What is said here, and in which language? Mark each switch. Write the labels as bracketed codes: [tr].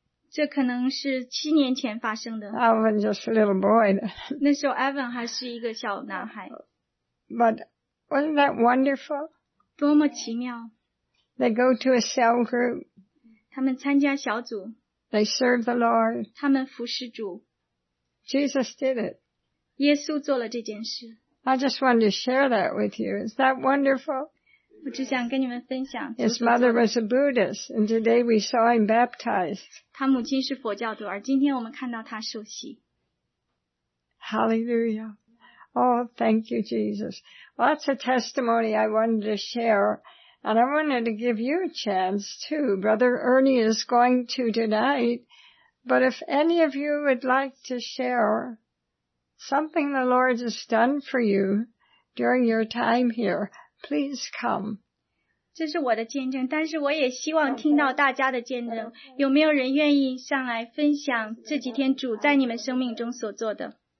[zh] 这可能是七年前发生的。 [en] Alvin just a little boy. [zh] 那时候 Alvin 还是一个小男孩。 [en] But wasn't that wonderful? [zh] 多么奇妙。 [en] They go to a cell group. [zh] 他们参加小组。 [en] They serve the Lord. [zh] 他们服侍主。 [en] Jesus did it. [zh] 耶稣做了这件事。 [en] I just wanted to share that with you. Is that wonderful? [zh] 我只想跟你们分享。 [en] His mother was a Buddhist, and today we saw him baptized. [zh] 他母亲是佛教徒，而今天我们看到他受洗。 [en] Hallelujah! Oh, thank you, Jesus. Well, that's a testimony I wanted to share, and I wanted to give you a chance too. Brother Ernie is going to tonight, but if any of you would like to share something the Lord has done for you during your time here. Please come. [zh] 这是我的见证，但是我也希望听到大家的见证。有没有人愿意上来分享这几天主在你们生命中所做的？